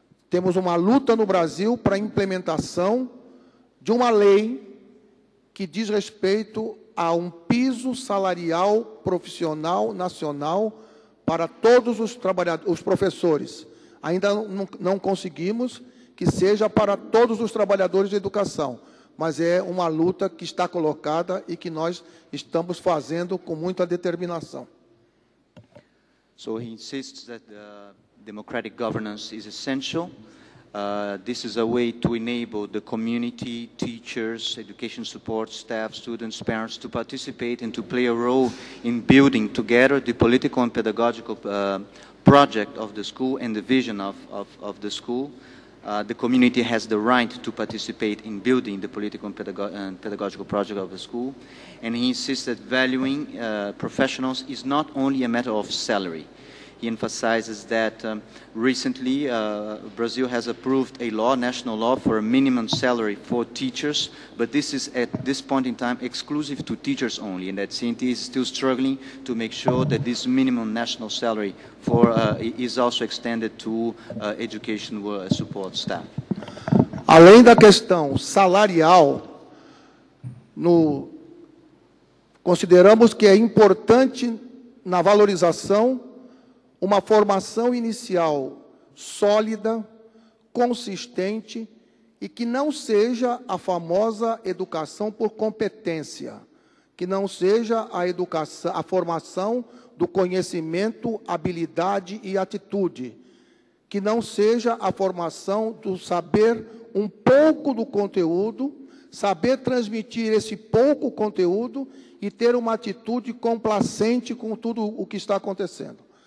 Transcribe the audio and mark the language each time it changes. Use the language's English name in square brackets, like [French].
[Portuguese] Temos uma luta no Brasil para a implementação de uma lei que diz respeito a um piso salarial profissional nacional para todos os trabalhadores, os professores. Ainda não conseguimos que seja para todos os trabalhadores de educação, mas é uma luta que está colocada e que nós estamos fazendo com muita determinação. [English] So he insists that the democratic governance is essential. This is a way to enable the community, teachers, education support staff, students, parents to participate and to play a role in building together the political and pedagogical project of the school and the vision of the school. The community has the right to participate in building the political and pedagogical project of the school. And he insists that valuing professionals is not only a matter of salary. He emphasizes that recently Brazil has approved a law, national law, for a minimum salary for teachers, but this is at this point in time exclusive to teachers only, and that CNTE is still struggling to make sure that this minimum national salary for is also extended to education support staff. [Portuguese] Além da questão salarial, no consideramos que é importante na valorização uma formação inicial sólida, consistente e que não seja a famosa educação por competência, que não seja a educação, a formação do conhecimento, habilidade e atitude, que não seja a formação do saber um pouco do conteúdo, saber transmitir esse pouco conteúdo e ter uma atitude complacente com tudo o que está acontecendo.